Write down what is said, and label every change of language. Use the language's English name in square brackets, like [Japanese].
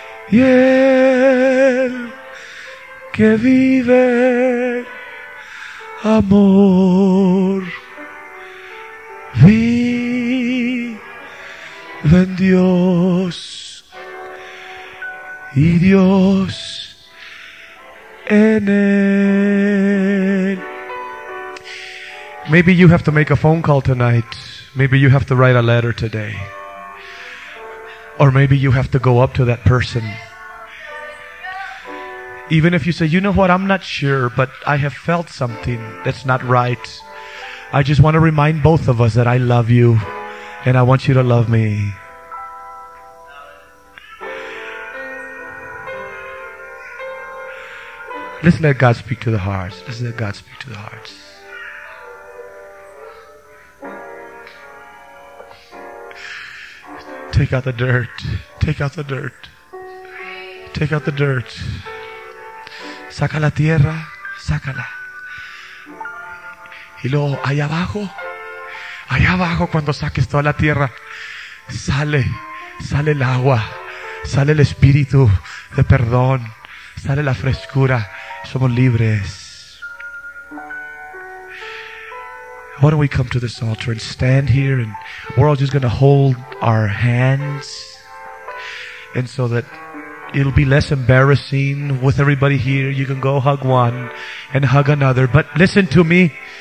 [Spanish] Y el que vive amor, vive en Dios, y Dios en él. [English] Maybe you have to make a phone call tonight. Maybe you have to write a letter today. Or maybe you have to go up to that person. Even if you say, you know what, I'm not sure, but I have felt something that's not right. I just want to remind both of us that I love you, and I want you to love me. Let's let God speak to the hearts. Let's let God speak to the hearts. Take out the dirt. Take out the dirt. Take out the dirt. [Spanish] Saca la tierra, sácala. Y luego, allá abajo, cuando saques toda la tierra, sale, sale el agua, sale el espíritu de perdón, sale la frescura. Somos libres. [English] Why don't we come to this altar and stand here, and we're all just going to hold our hands, and so that it'll be less embarrassing with everybody here. You can go hug one and hug another. But listen to me.